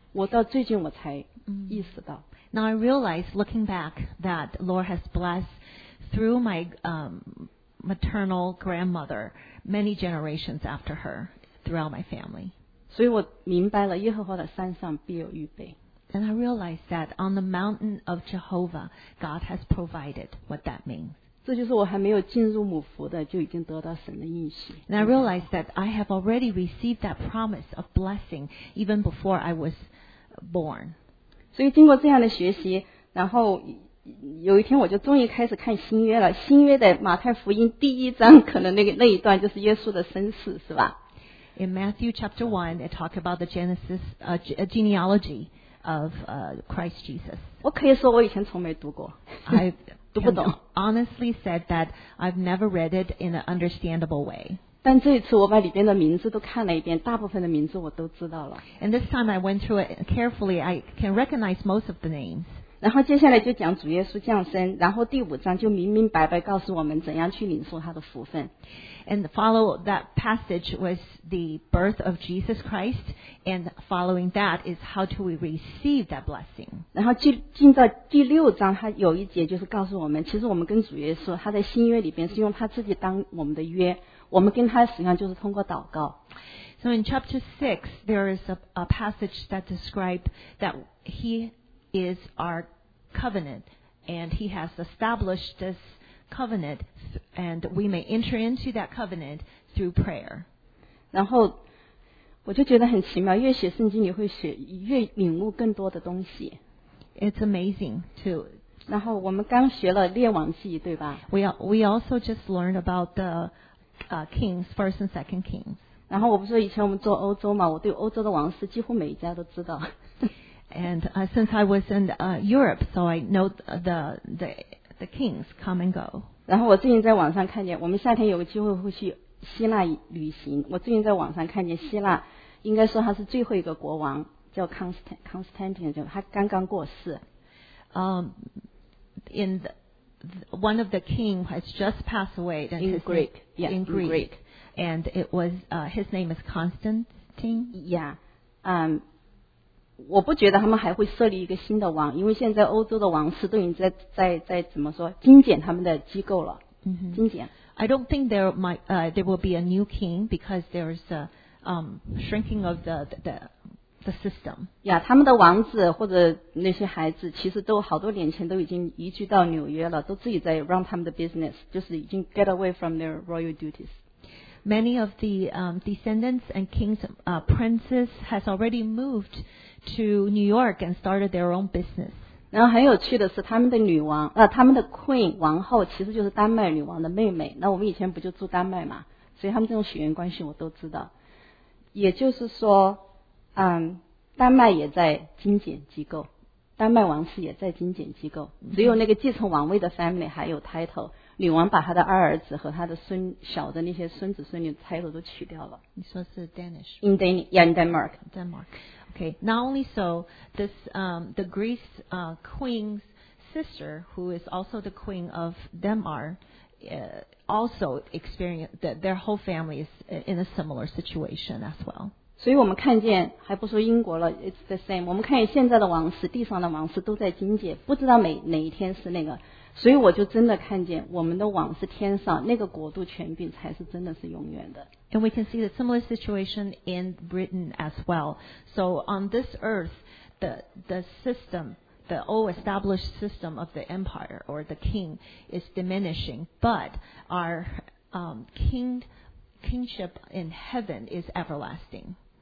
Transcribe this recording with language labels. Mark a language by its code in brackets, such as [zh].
[zh] 我到最近我才意识到、 [en] Now I realize looking back that Lord has blessed through my maternal grandmother many generations after her throughout my family. [zh] 所以我明白了耶和华的山上必有预备。 [en] And I realized that on the mountain of Jehovah, God has provided what that means. [zh] 这就是我还没有进入母腹的就已经得到神的应许。 [en] And I realized that I have already received that promise of blessing even before I was born. [zh] 所以经过这样的学习，然后有一天我就终于开始看新约了。新约的马太福音第一章，可能那一段就是耶稣的身世，是吧？ [en] In Matthew chapter 1, they talk about the Genesis, genealogy. Of Christ Jesus. [zh] 我可以说我以前从没读过。 [en] I [zh] 读不懂。 [en] Honestly said that I've never read it in an understandable way. [zh] 但这一次我把里边的名字都看了一遍，大部分的名字我都知道了。 [en] And this time I went through it carefully. I can recognize most of the names. [zh] 然后接下来就讲主耶稣降生，然后第五章就明明白白告诉我们怎样去领受他的福分。 [en] And follow that passage was the birth of Jesus Christ, and following that is how do we receive that blessing. [zh] 然后进到第六章，它有一节就是告诉我们，其实我们跟主耶稣，他在新约里边是用他自己当我们的约，我们跟他实际上就是通过祷告。 [en] So in chapter 6, there is a passage that describes that he is our covenant, and he has established this. Covenant, and we may enter into that covenant through prayer. [zh] 然后我就觉得很奇妙，越写圣经你会写越领悟更多的东西。 [en] It's amazing to. [zh] 然后我们刚学了列王记，对吧 [en] ？We also just learned about the kings, first and second kings. [zh] 然后我不是以前我们做欧洲嘛，我对欧洲的王室几乎每一家都知道。 [en] And since I was in Europe, so I know the kings come and go. [zh] 然后我最近在网上看见，我们夏天有个机会会去希腊旅行。我最近在网上看见希腊，应该说他是最后一个国王，叫Constantine，就他刚刚过世。 [en] In one of the king has just passed away. In Greek. And it was his name is Constantine. Yeah. [zh] 我不觉得他们还会设立一个新的王，因为现在欧洲的王室都已经在怎么说精简他们的机构了。精简。 [en] I don't think there will be a new king because there's a shrinking of the system. [zh] Yeah, 他们的王子或者那些孩子其实都好多年前都已经移居到纽约了，都自己在 run 他们的 business, 就是已经 [en] get away from their royal duties. Many of the descendants and kings, princes has already moved to New York and started their own business. [zh] 然后很有趣的是他们的女王、他们的 queen 王后其实就是丹麦女王的妹妹，那我们以前不就住丹麦嘛，所以他们这种血缘关系我都知道。也就是说、丹麦也在精简机构，丹麦王室也在精简机构，只有那个继承王位的 family 还有 title。女王把她的二儿子和她的孙小的那些孙子孙女差头都取掉了。你说是 Danish? [en] In Denmark. Denmark. Okay. Not only so, this, the Greece, queen's sister, who is also the queen of Demar, also experience that their whole family is in a similar situation as well. [zh] 所以我们看见，还不说英国了 ， [en] it's the same。 [zh] 我们看见现在的王室，地上的王室都在精简，不知道哪一天是那个。所以我就真的看见，我们的王是天上那个国度权柄才是真的是永远的。 [en] And we can see the similar situation in Britain as well. So on this earth, the system, the old established system of the empire or the king is diminishing, but our kingship in heaven is everlasting.